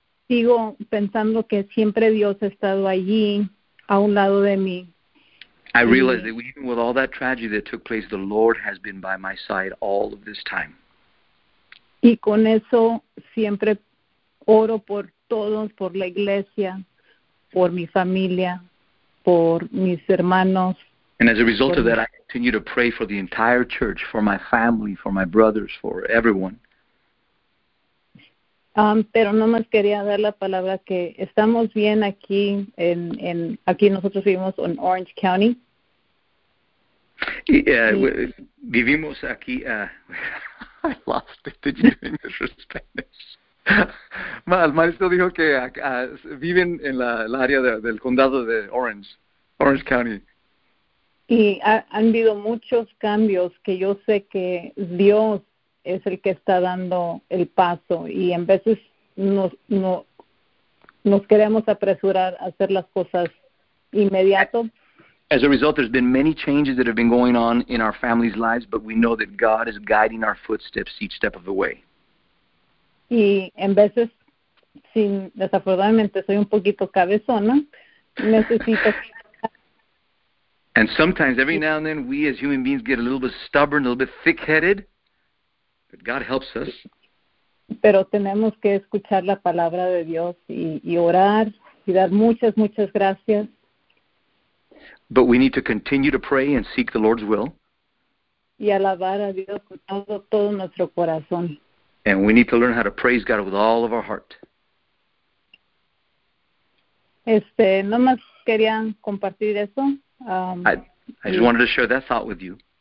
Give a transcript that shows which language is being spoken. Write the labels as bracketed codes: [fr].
[es] Sigo pensando que siempre Dios ha estado allí, a un lado de mí. [en] I realize that even with all that tragedy that took place, the Lord has been by my side all of this time. [es] Y con eso siempre oro por todos, por la iglesia, por mi familia, por mis hermanos. [en] And as a result of that, I continue to pray for the entire church, for my family, for my brothers, for everyone. [es] Pero no más quería dar la palabra que estamos bien aquí, en aquí nosotros vivimos en Orange County. Vivimos aquí, [en] I lost it, did you do English or Spanish? [es] El maestro dijo que viven en el área del condado de Orange County. Y han habido muchos cambios que yo sé que Dios es el que está dando el paso, y en veces nos queremos apresurar a hacer las cosas inmediato. [en] As a result, there's been many changes that have been going on in our family's lives, but we know that God is guiding our footsteps each step of the way. [es] Y en veces, sin desafortunadamente soy un poquito cabezona, necesito [en] And sometimes, every now and then, we as human beings get a little bit stubborn, a little bit thick-headed. But God helps us. [es] Pero tenemos que escuchar la palabra de Dios y orar y dar muchas, muchas gracias. [en] But we need to continue to pray and seek the Lord's will. [es] Y alabar a Dios con todo nuestro corazón. [en] And we need to learn how to praise God with all of our heart. [es] No más quería compartir eso. [en] I just wanted to share that thought with you.